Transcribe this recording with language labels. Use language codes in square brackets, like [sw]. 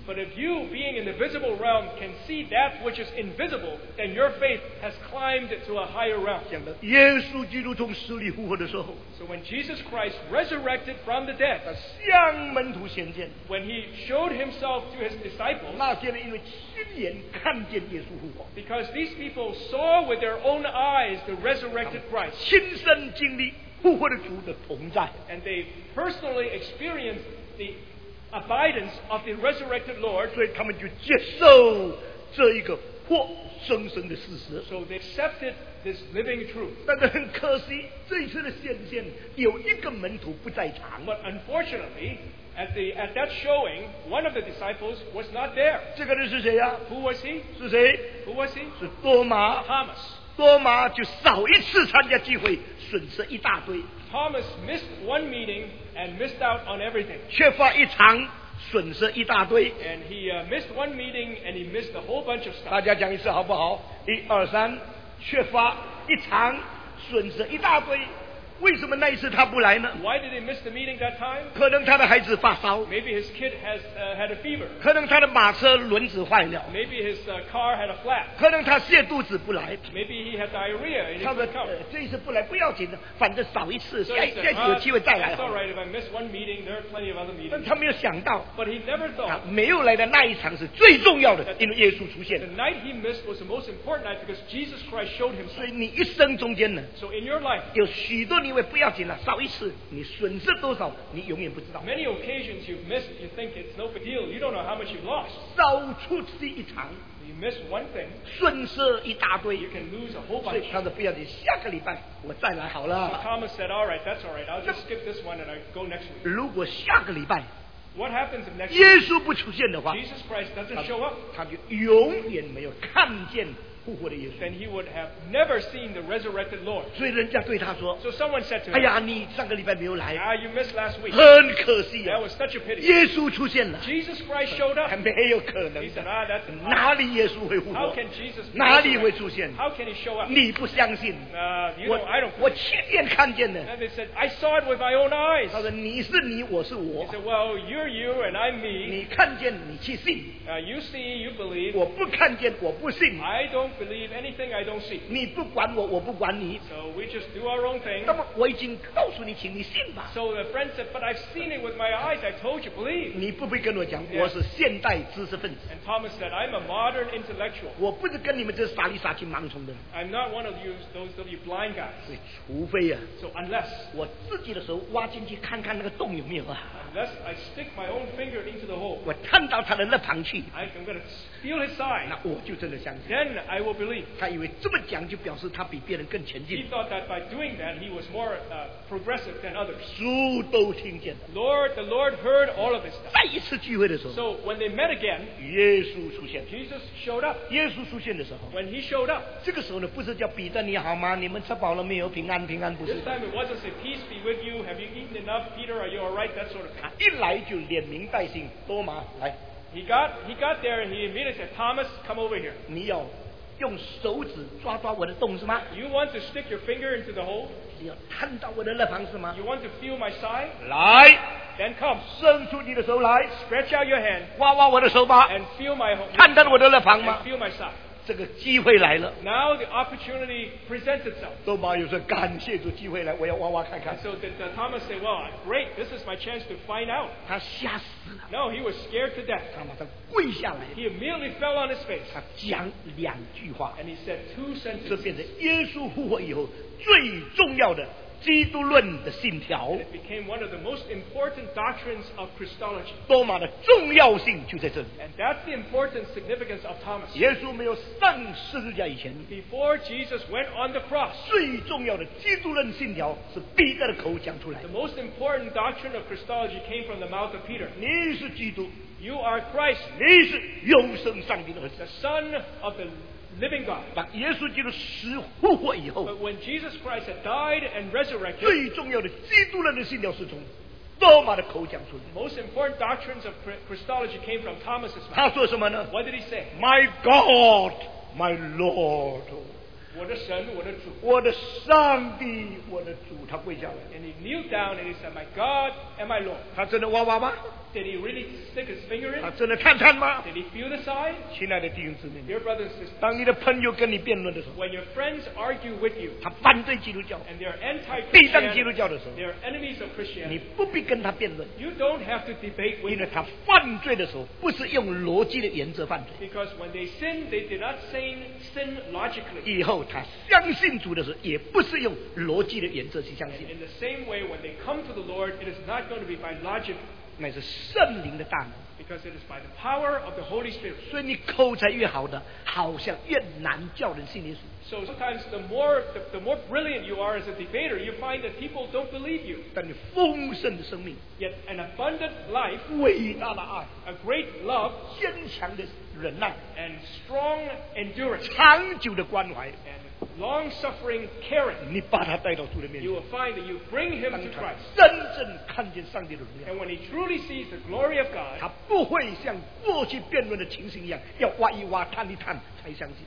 [en] But if you, being in the visible realm, can see that which is invisible, then your faith has climbed to a higher realm. [zh] 讲到耶稣基督从死里复活的时候， [en] So when Jesus Christ resurrected from the dead, [zh] 他向门徒显现， [en] When he showed himself to his disciples, [zh] 那些人因为亲眼看见耶稣复活， [en] Because these people saw with their own eyes the resurrected Christ. [zh] 亲身经历复活的主的同在， [en] And they personally experienced theabidance of the resurrected Lord, [zh] 所以他们就接受这一个活生生的事实。 [en] So they accepted this living truth. [zh] 但是很可惜，这一次的显现有一个门徒不在场。 [en] But unfortunately, at that showing, one of the disciples was not there. [zh] 这个人是谁呀？ [en] Who was he? [zh] 是谁？ [en] Who was he? [zh] 是多马。 [en] Thomas. [zh] 多马就少一次参加聚会，损失一大堆。 [en] Thomas missed one meeting. And missed out on everything. [zh] 缺乏一场，损失一大堆。 [en] And he missed one meeting, and he missed a whole bunch of stuff. [zh] 大家讲一次好不好？一二三，缺乏一场，损失一大堆。为什么那一次他不来呢？ [en] Why did he miss the meeting that time? [zh] 可能他的孩子发烧。 [en] Maybe his kid has had a fever. [zh] 可能他的马车轮子坏了。 [en] Maybe his car had a flat. [zh] 可能他泻肚子不来。 [en] Maybe he had diarrhea and he couldn't come. [zh] 这一次不来不要紧的，反正少一次，下次有机会再来。 [en] It's all right if I miss one meeting. There are plenty of other meetings. [zh] 但他没有想到， [en] But he never thought. [zh] 他没有来的那一场是最重要的，因为耶稣出现。 [en] The night he missed was the most important night because Jesus Christ showed himself. [zh] 所以你一生中间呢， [en] So in your life, [zh] 有许多你。因为不要紧了，少一次你损失多少，你永远不知道。 [en] Many occasions you've missed, you think it's no big deal. You don't know how much you've lost. [zh] 少出去一场， [en] you miss one thing. [zh] 损失一大堆， [en] you can lose a whole bunch. [zh] 所以他说不要紧，下个礼拜我再来好了。 [en] So Thomas said, "All right, that's all right. I'll just skip this one and I go next week." [zh] 如果下个礼拜， [en] what happens if next week? [zh] 耶稣不出现的话， [en] Jesus Christ doesn't show up. [zh] 他就永远没有看见。 [en] Then he would have never seen the resurrected Lord. [zh] 所以人家对他说， [en] So someone said to him, [zh] 哎呀，你上个礼拜没有来。 [en] Ah, you missed last week. [zh] 很可惜啊。 [en] That was such a pity. [zh] 耶稣出现了。 [en] Jesus Christ showed up. [zh] 还没有可能。 [en] He said, ah, that's impossible. [zh] 哪里耶稣会复活？ [en] How can Jesus be? [zh] 哪里会出现？ [en] How can he show up? [zh] 你不相信。 [en] I don't. [zh] 我亲眼看见的。 [en] And they said, I saw it with my own eyes. [zh] 他说你是你，我是我。 [en] He said, well, you're you and I'm me. [zh] 你看见，你去信。 [en] You see, you believe. [zh] 我不看见，我不信。 [en] I don't. Believe anything I don't see. [zh] 你不管我，我不管你。 [en] So we just do our own thing. [zh] 那么我已经告诉你，请你信吧。 [en] So the friend said, but I've seen it with my eyes. I told you, believe. [zh] 你不必跟我讲，我是现代知识分子。 [en] And Thomas said, I'm a modern intellectual. [zh] 我不是跟你们这傻里傻气盲从的。 [en] I'm not one of you, those of you blind guys. [zh] 除非啊。 [en] So unless. [zh] 我自己的手挖进去看看那个洞有没有啊。 [en] Unless I stick my own finger into the hole. [zh] 我探到他的肋旁去。 [en] I'm going to feel his side. [zh] 那我就真的相信。 [en] Then I will believe. [zh] 他以为这么讲就表示他比别人更前进。 [en] He thought that by doing that he was more progressive than others. [zh] 主都听见了。 [en] The Lord heard all of his stuff. [zh] 再一次聚会的时候。 [en] So when they met again. [zh] 耶稣出现。 [en] Jesus showed up. [zh] 耶稣出现的时候。 [en] When he showed up. [zh] 这个时候呢，不是叫彼得你好吗？你们吃饱了没有？平安平安不是。 [en] This time it wasn't say peace be with you. Have you eaten enough, Peter? Are you all right? That sort of. [zh] 一来就连名带姓，多马来。 [en] He got there and he immediately said, Thomas, come over here. [zh] 你要用手指抓抓我的洞是吗？ [en] You want to stick your finger into the hole? [zh] 你要探到我的肋旁是吗？ [en] You want to feel my side? [zh] 来。 [en] Then come. [zh] 伸出你的手来。 [en] Stretch out your hand. [zh] 挖挖我的手吧。 [en] And feel my hole. [zh] 探到我的肋旁吗？ [en] And feel my side. [zh] 这个机会来了。 [en] Now the opportunity presents itself. [zh] 多马又说：“感谢主，机会来，我要挖挖看看。 [en] ”So did Thomas say, "Well, great, this is my chance to find out." [zh] 他吓死了。 [en] No, he was scared to death. [zh] 他把他跪下来。 [en] He immediately fell on his face. [zh] 他讲两句话。 [en] And he said two sentences. [zh] 这变成耶稣复活以后最重要的基督论的信条。 [en] And it became one of the most important doctrines of Christology. [zh] 多么的重要性就在这里。 [en] And that's the important significance of Thomas. [zh] 耶稣没有上十字架以前。 [en] Before Jesus went on the cross. [zh] 最重要的基督论信条是彼得的口讲出来。 [en] The most important doctrine of Christology came from the mouth of Peter. [zh] 你是基督。 [en] You are Christ. [zh] 你是永生上帝的儿子。 [en] The son of the living God. [zh] 把耶稣基督死复活以后 [en] But when Jesus Christ had died and resurrected, [zh] 最重要的基督论的信条是从多马的口讲出来的 [en] Most important doctrines of Christology came from Thomas's mouth. [zh] 他说什么呢 [en] What did he say? My God, my Lord. [zh] 我的神，我的主。我的上帝，我的主。他跪下来。 [en] And he kneeled down and he said, my God and my Lord. [zh] 他真的哇哇吗 [en] Did he really stick his finger in? [zh] 他真的探探吗 [en] Did he feel the side? [zh] 亲爱的弟兄姊妹 [en] Dear brothers and sisters, [zh] 当你的朋友跟你辩论的时候 [en] When your friends argue with you, [zh] 他反对基督教 [en] And they are anti-Christian, [zh] 必当基督教的时候 [en] They are enemies of Christianity, [zh] 你不必跟他辩论 [en] You don't have to debate with them. [zh] 因为他犯罪的时候不是用逻辑的原则犯罪 [en] Because when they sin, they did not sin logically. [zh] 以后他相信主的时候也不是用逻辑的原则去相信 [en] And in the same way, when they come to the Lord, it is not going to be by logic. [zh] 乃是圣灵的大能 [en] because it is by the power of the Holy Spirit. [zh] 所以你口才越好的，好像越难叫人信耶稣。 [en] So sometimes the more brilliant you are as a debater, you find that people don't believe you. [zh] 但你丰盛的生命 [en] yet an abundant life, [zh] 伟大的爱 [en] a great love, [zh] 坚强的忍耐 [en] and strong endurance, [zh] 长久的关怀 [en] and long-suffering caring, [zh] 你把他带到主的面前。 [en] You will find that you bring him to Christ. [zh] 真正看见上帝的荣耀。 [en] And when he truly sees the glory of God, [zh] 他不会像过去辩论的情形一样，要挖一挖、探一探才相信。